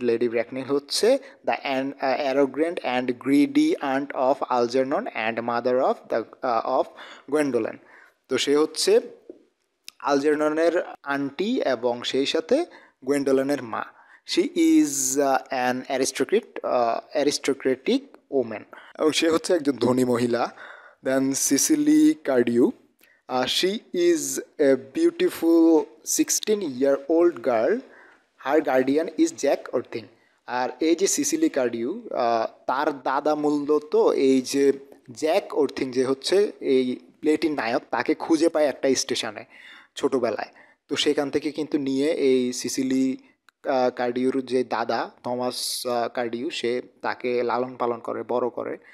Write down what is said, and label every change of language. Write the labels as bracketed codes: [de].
[en] Lady Bracknell হচ্ছে the arrogant and greedy aunt of Algernon and mother of the of Gwendolen. [bn] তো সে হচ্ছে আলজারননের aunty, এবং সেই সাথে গোয়েন্ডোলেনের মা। [en] she is an aristocratic woman, [bn] এবং সে হচ্ছে একজন ধনী মহিলা। দেন Sicily কার্ডিউ, [en] She is a beautiful 16-year-old girl. Her guardian is Jack Orthing. [bn] আর এই যে সিসিলি কার্ডিউ, তার দাদা মূলত এই যে জ্যাক অর্থিং, যে হচ্ছে এই প্লেটির নায়ক, তাকে খুঁজে পায় একটা স্টেশনে ছোটবেলায়। তো সেখান থেকে কিন্তু নিয়ে এই সিসিলি কার্ডিউর যে দাদা থমাস কার্ডিউ, সে তাকে লালন পালন করে, বড় করে।